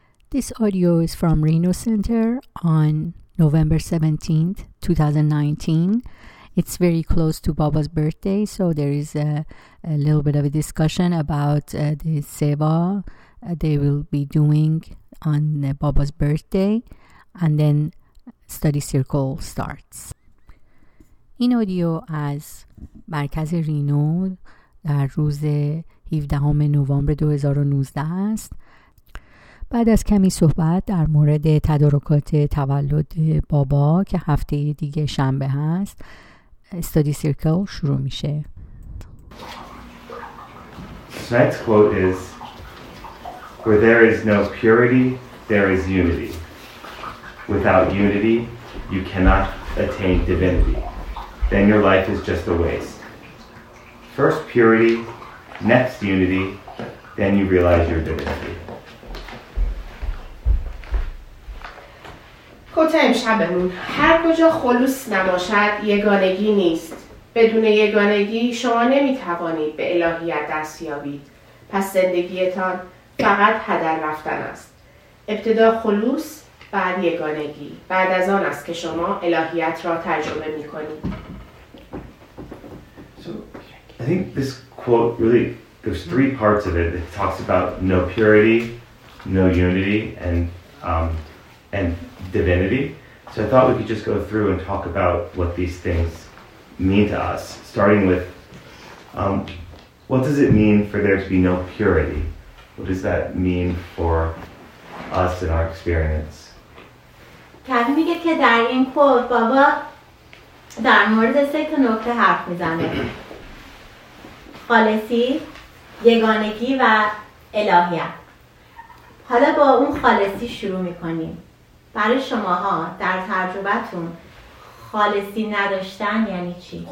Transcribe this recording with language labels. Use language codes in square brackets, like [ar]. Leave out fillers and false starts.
[en] This audio is from Reno Center on November 17th, 2019. It's very close to Baba's birthday, so there is a little bit of a discussion about the seva they will be doing on Baba's birthday, and then study circle starts. [fa] این audio از مرکز رینو در روز 17 نوامبر 2019 است. بعد از کمی صحبت در مورد تدارکات تولد بابا که هفته دیگه شنبه هست، استادی سیرکل شروع میشه. [en] Tonight's quote is, "Where there is no purity, there is unity. Without unity, you cannot attain divinity. Then your life is just a waste. First purity, next unity, then you realize your divinity." [fa] کوتا امشبمون، هر کجا خلوص نباشد یگانگی نیست. بدون یگانگی شما نمیتوانید به الهیت دست یابید. پس زندگیتان فقط هدر رفتن است. ابتدا خلوص، بعد یگانگی. بعد از آن است که شما الهیت را تجربه میکنید. [en] So, I think this quote really, there's three parts of it. It talks about no purity, no unity, and divinity. So I thought we could just go through and talk about what these things mean to us, starting with what does it mean for there to be no purity? What does that mean for us in our experience? [fa] Kevin میگه که در این quote بابا در مورد سه تا نکته حرف میزنه. خالصی، یگانگی و الهیت. حالا با اون خالصی شروع میکنیم. برای شماها در تجربتون خالصی نداشتن یعنی چی؟